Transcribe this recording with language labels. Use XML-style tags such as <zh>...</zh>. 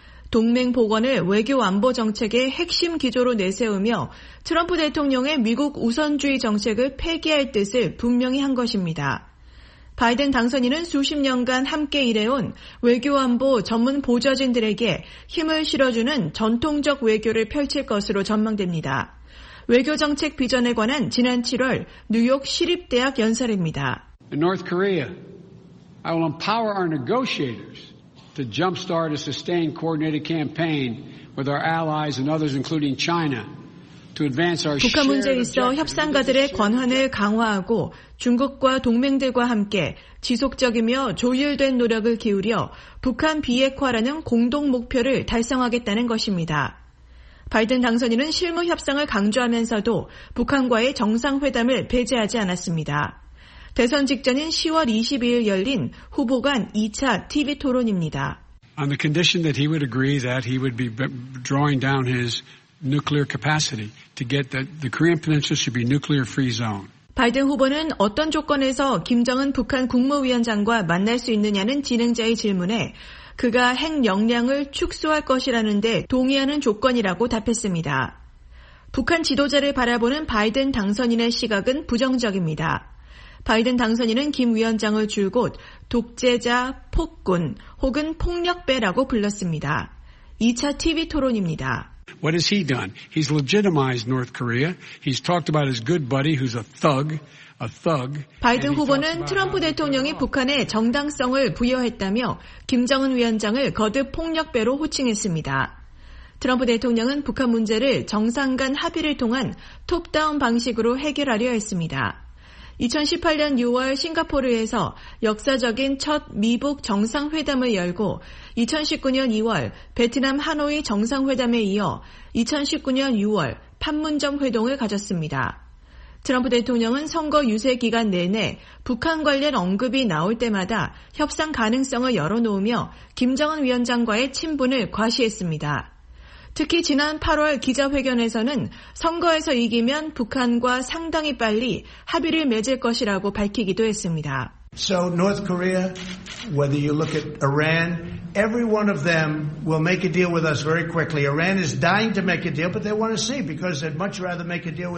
<ko>동맹 복원을 외교 안보 정책의 핵심 기조로 내세우며 트럼프 대통령의 미국 우선주의 정책을 폐기할 뜻을 분명히 한 것입니다. 바이든 당선인은 수십 년간 함께 일해온 외교 안보 전문 보좌진들에게 힘을 실어주는 전통적 외교를 펼칠 것으로 전망됩니다. 외교정책 비전에 관한 지난 7월 뉴욕 시립대학 연설입니다.</ko> <en>In North Korea, I will empower our negotiators to jumpstart a sustained coordinated campaign with our allies and others including China to advance our</en> <ko>북한 문제에 있어 협상가들의 권한을 강화하고 중국과 동맹들과 함께 지속적이며 조율된 노력을 기울여 북한 비핵화라는 공동 목표를 달성하겠다는 것입니다. 바이든 당선인은 실무 협상을 강조하면서도 북한과의 정상회담을 배제하지 않았습니다. 대선 직전인 10월 22일 열린 후보 간 2차 TV 토론입니다.</ko> <en>On the condition that he would agree that he would be drawing down his nuclear capacity to get that the Korean Peninsula should be nuclear free zone.</en> <ko>바이든 후보는 어떤 조건에서 김정은 북한 국무위원장과 만날 수 있느냐는 진행자의 질문에 그가 핵 역량을 축소할 것이라는 데 동의하는 조건이라고 답했습니다. 북한 지도자를 바라보는 바이든 당선인의 시각은 부정적입니다. 바이든 당선인은 김 위원장을 줄곧 독재자, 폭군 혹은 폭력배라고 불렀습니다. 2차 TV 토론입니다.</ko> <en>What has he done? He's legitimized North Korea. He's talked about his good buddy who's a thug.</en> <ko>바이든 후보는 트럼프 대통령이 북한에 정당성을 부여했다며 김정은 위원장을 거듭 폭력배로 호칭했습니다. 트럼프 대통령은 북한 문제를 정상 간 합의를 통한 톱다운 방식으로 해결하려 했습니다. 2018년 6월 싱가포르에서 역사적인 첫 미북 정상회담을 열고 2019년 2월 베트남 하노이 정상회담에 이어 2019년 6월 판문점 회동을 가졌습니다. 트럼프 대통령은 선거 유세 기간 내내 북한 관련 언급이 나올 때마다 협상 가능성을 열어놓으며 김정은 위원장과의 친분을 과시했습니다. 특히 지난 8월 기자회견에서는 선거에서 이기면 북한과 상당히 빨리 합의를 맺을 것이라고 밝히기도 했습니다.</ko> <en>So North Korea, whether you look at Iran, every one of them will make a deal with us very quickly. Iran is dying to make a deal, but they want to see because they'd much rather make a deal with.</en>